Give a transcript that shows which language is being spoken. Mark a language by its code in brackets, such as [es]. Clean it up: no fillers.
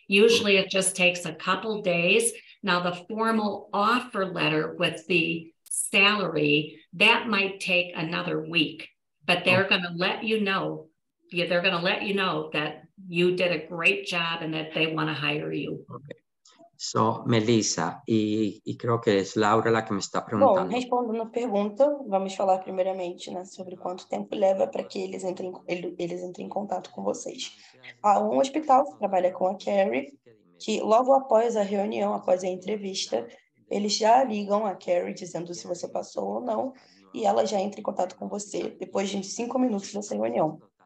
[en] Usually it just takes a couple days. Now the formal offer letter with the salary, that might take another week, but they're going to let you know. Yeah, they're going to let you know that you did a great job and that they want to hire you. Okay. [es] So, Melissa, e creo que es Laura la que me está preguntando. [pt] Bom, respondendo a pergunta, vamos falar primeiramente né, sobre quanto tempo leva para que eles entrem em contato com vocês. Há um hospital que trabalha com a Kerry, que logo após a reunião, após a entrevista, eles já ligam a Kerry dizendo se você passou ou não, e ela já entra em contato com você depois de 5 minutos dessa reunião.